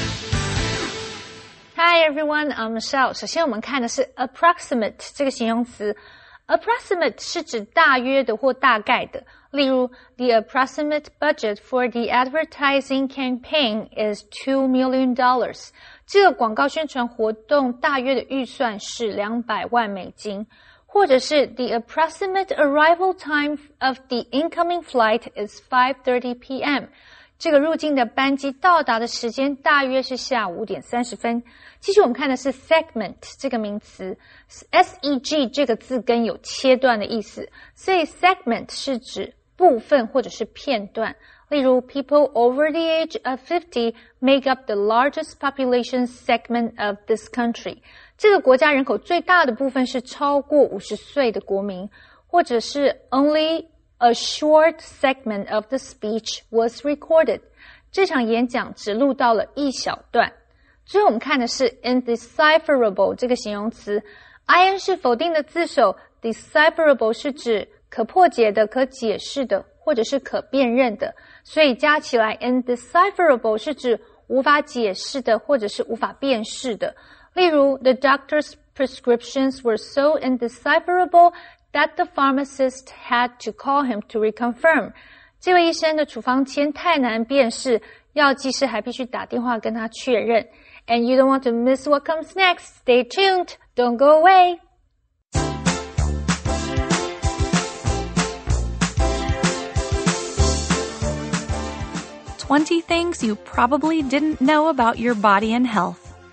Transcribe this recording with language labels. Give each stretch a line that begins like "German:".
English: Hi, everyone. I'm Michelle.
Chinese: 首先我们看的是 approximate 这个形容词。 Approximate 是指大约的或大概的。例如
English: ,the approximate budget for the advertising campaign is $2 million.
Chinese: 这个广告宣传活动大约的预算是$2,000,000。或者是
English: ,the approximate arrival time of the incoming flight is 5:30 PM.
Chinese: 这个入境的班机到达的时间大约是下午5:30。继续我们看的是 segment 这个名词 ,SEG 这个字根有切断的意思。所以 segment 是指部分或者是片段。例如
English: ,people over the age of 50 make up the largest population segment of this country.
Chinese: 这个国家人口最大的部分是超过50岁的国民。或者是
English: ,only a short segment of the speech was recorded.
Chinese: 这场演讲只录到了一小段。最后我们看的是 indecipherable 这个形容词 ,IN 是否定的字首 ,decipherable 是指可破解的、可解释的或者是可辨认的。所以加起来 ,indecipherable 是指无法解释的或者是无法辨识的。例如
English: ,the doctor's prescriptions were so indecipherable that the pharmacist had to call him to reconfirm.
Chinese: 这位医生的处方签太难辨识，药剂师还必须打电话跟他确认。
English: And you don't want to miss what comes next. Stay tuned. Don't go away. Twenty things you probably didn't know about your body and health.